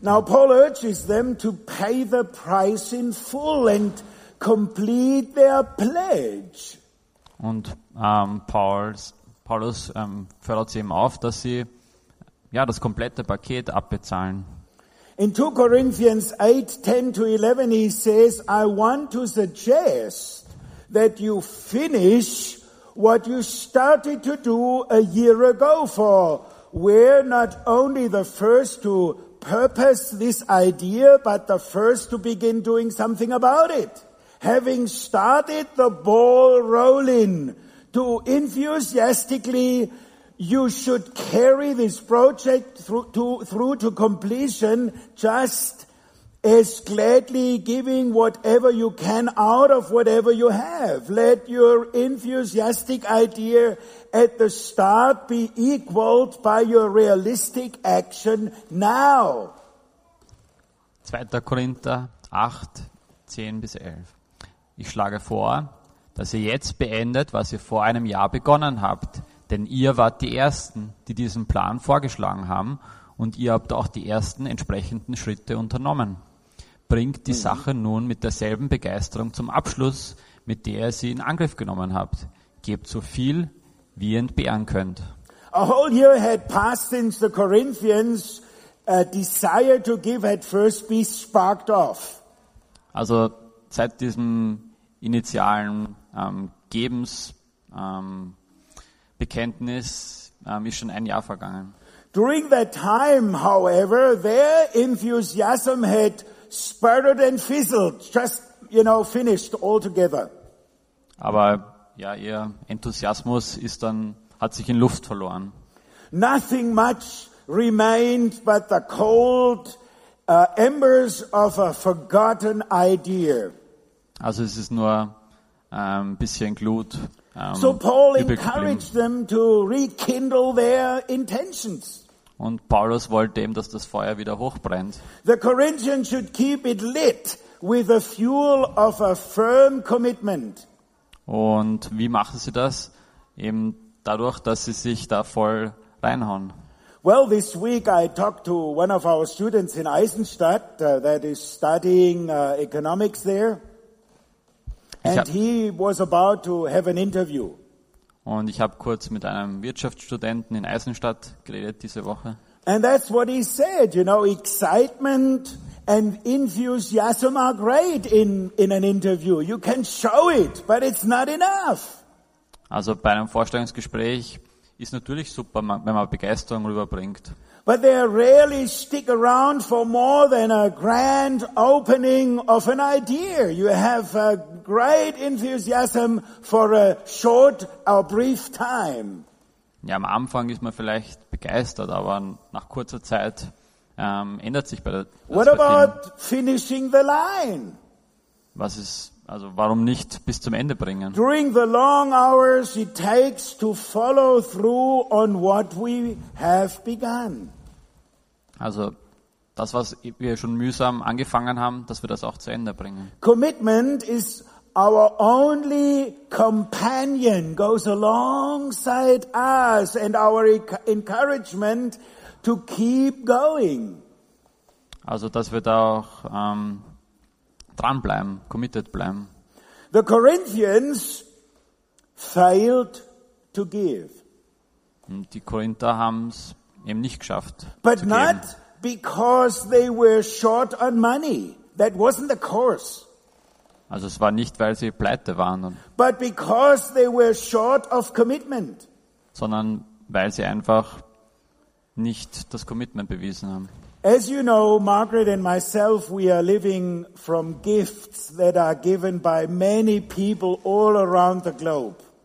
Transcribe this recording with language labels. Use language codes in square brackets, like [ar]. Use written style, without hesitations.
[en] Now, Paul urges them to pay the price in full and complete their pledge. [de] Und Paulus fordert sie eben auf, dass sie ja das komplette Paket abbezahlen. [en] In 2 Corinthians 8, 10 to 11, he says, I want to suggest that you finish what you started to do a year ago, for we're not only the first to purpose this idea, but the first to begin doing something about it. Having started the ball rolling, to enthusiastically, you should carry this project through to completion, just as gladly giving whatever you can out of whatever you have. Let your enthusiastic idea at the start be equaled by your realistic action now. [de] 2. Korinther 8, 10 bis 11. Ich schlage vor, dass ihr jetzt beendet, was ihr vor einem Jahr begonnen habt. Denn ihr wart die Ersten, die diesen Plan vorgeschlagen haben, und ihr habt auch die ersten entsprechenden Schritte unternommen. Bringt die Sache nun mit derselben Begeisterung zum Abschluss, mit der ihr sie in Angriff genommen habt. Gebt so viel, wie ihr entbehren könnt. [en] A whole year had passed since the Corinthians' desire to give had first been sparked off. [de] Also seit diesem initialen Gebensbekenntnis ist schon ein Jahr vergangen. [en] During that time, however, their enthusiasm had sputtered and fizzled, just, you know, finished altogether. [de] Aber ja, ihr Enthusiasmus ist dann, hat sich in Luft verloren. [en] Nothing much remained but the cold embers of a forgotten idea. [de] Also es ist nur ein bisschen Glut. [en] So Paul encouraged them to rekindle their intentions. [de] Und Paulus wollte eben, dass das Feuer wieder hochbrennt. [en] The Corinthians should keep it lit with the fuel of a firm commitment. [de] Und wie machen sie das? Eben dadurch, dass sie sich da voll reinhauen. [en] Well, this week I talked to one of our students in Eisenstadt that is studying economics there. And he was about to have an interview. [de] Und ich habe kurz mit einem Wirtschaftsstudenten in Eisenstadt geredet diese Woche. [en] And that's what he said, you know, excitement and enthusiasm are great in an interview. You can show it, but it's not enough. [de] Also bei einem Vorstellungsgespräch ist natürlich super, wenn man Begeisterung rüberbringt. [en] But they rarely stick around for more than a grand opening of an idea. You have a great enthusiasm for a short or brief time. [de] Ja, am Anfang ist man vielleicht begeistert, aber nach kurzer Zeit ändert sich bei der. [en] What about finishing the line? [de] Was ist, also warum nicht bis zum Ende bringen? [en] During the long hours it takes to follow through on what we have begun. [de] Also das, was wir schon mühsam angefangen haben, dass wir das auch zu Ende bringen. [en] Commitment is our only companion, goes alongside us and our encouragement to keep going. [de] Also, dass wir da auch dranbleiben, committed bleiben. [en] The Corinthians failed to give. [de] Und die Korinther haben es eben nicht geschafft. [en] But not because they were short on money. That wasn't the cause. [de] Also es war nicht, weil sie pleite waren. [en] But because they were short of commitment. [de] Sondern weil sie einfach nicht das Commitment bewiesen haben. [en] As you know, Margaret and myself, we are living from gifts that are given by many people all around the globe.